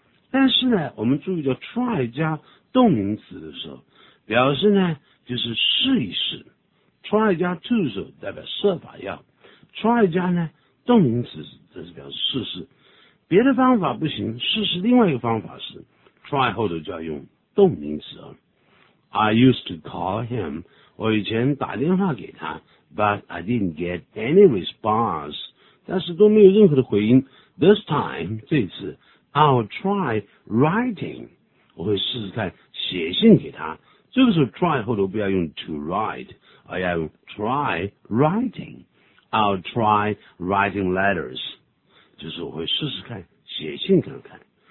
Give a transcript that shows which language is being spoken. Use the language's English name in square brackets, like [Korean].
[Chinese] 但是呢我们注意到 try 加动名词的时候表示呢就是试一试。 try 加 to 的时候代表设法要。try 加呢动名词这是表示试试。别的方法不行，试试另外一个方法是。try 后头就要用动名词啊。 [English] I used to call him, [Chinese] 我以前打电话给他 [English] ,but I didn't get any response, [Chinese] 但是都没有任何的回音。 This time, 这次 , [English] I'll try writing, [Chinese] 我会试试看写信给他。这个时候 try 后头不要用 to write, 而要用 try writing, [English] I'll try writing letters, [Chinese] 就是我会试试看写信看看。